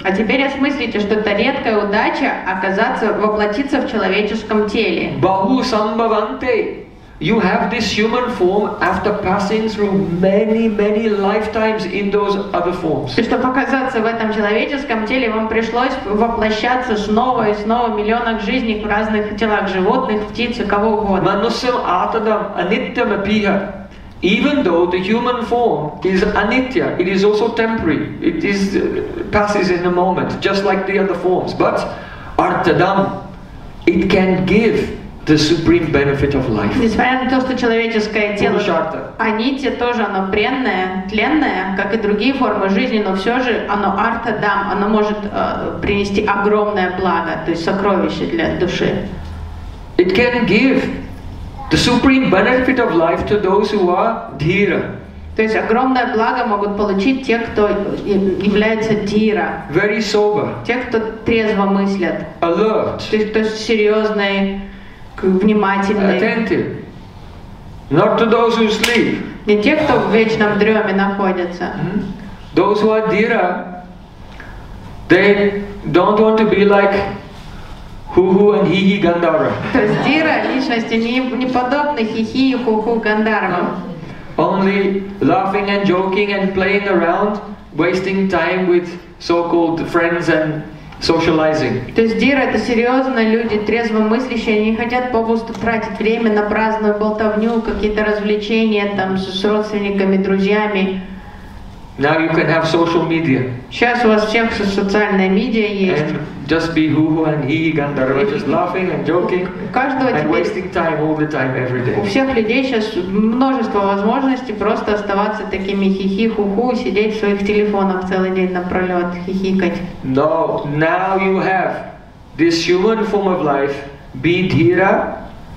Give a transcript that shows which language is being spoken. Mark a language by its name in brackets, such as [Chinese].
[Russian] А теперь осмыслите, что это редкая удача оказаться, воплотиться в человеческом теле. [Sanskrit] Баху самбаванте. [English] You have this human form after passing through many, many lifetimes in those other forms. [Russian] И чтобы оказаться в этом человеческом теле, вам пришлось воплощаться снова и снова в миллионах жизней в разных телах животных, птиц и кого угодно. [Sanskrit] Манусим атадам аниттам апиха. [English] Even though the human form is anitya, it is also temporary. It is passes in a moment, just like the other forms. But artadam, it can give the supreme benefit of life. [Russian] Несмотря на то, что человеческое тело, анитья тоже оно пренное, тленное, как и другие формы жизни, но все же оно артадам, оно может принести огромное благо, то есть сокровище для души. [English] It can give the supreme benefit of life to those who are dhira. [Russian] То есть огромное благо могут получить те, кто является дхира. [English] Very sober. [Russian] Те, кто трезво мыслят. [English] Alert. [Russian] То есть серьезные. [English] Attentive. Not to those who sleep. [Russian] Не те, кто в вечном дреме находится. [English] Those who are dhira, they don't want to be like hu-hu and hi-hi Gandhara. [Russian] То есть дхира личности не подобны хи-хи и ху-ху Гандхарам. [English] Only laughing and joking and playing around, wasting time with so-called friends and socializing. [Russian] То есть дира это серьезные люди, трезвомыслящие, они не хотят попусту тратить время на праздную болтовню, какие-то развлечения там с родственниками, друзьями. [English] Now you can have social media. [Russian] Сейчас у вас всех социальная медиа есть. [English] Just be hu-hu and hi-hi Gandhara, just laughing and joking. [Russian] Каждого [English] and wasting time all the time every day. [Russian] У всех людей сейчас множество возможностей просто оставаться такими хи-хи, ху-ху, сидеть в своих телефонах целый день напролет, хихикать. [English] No, now you have this human form of life, be dhira.